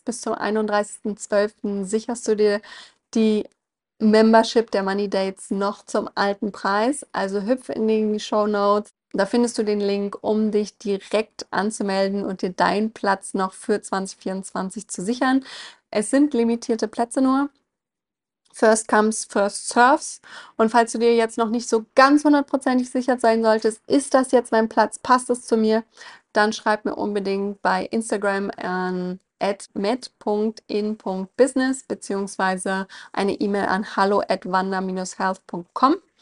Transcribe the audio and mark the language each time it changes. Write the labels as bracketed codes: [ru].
[de] Bis zum 31.12. sicherst du dir die Membership der Money Dates noch zum alten Preis. Also hüpfe in die Show Notes. Da findest du den Link, um dich direkt anzumelden und dir deinen Platz noch für 2024 zu sichern. Es sind limitierte Plätze nur. [en] First comes, first serves. [de] Und falls du dir jetzt noch nicht so ganz hundertprozentig sicher sein solltest, ist das jetzt mein Platz, passt es zu mir, dann schreib mir unbedingt bei Instagram an @med.in.business beziehungsweise eine E-Mail an hallo@wanda-health.com.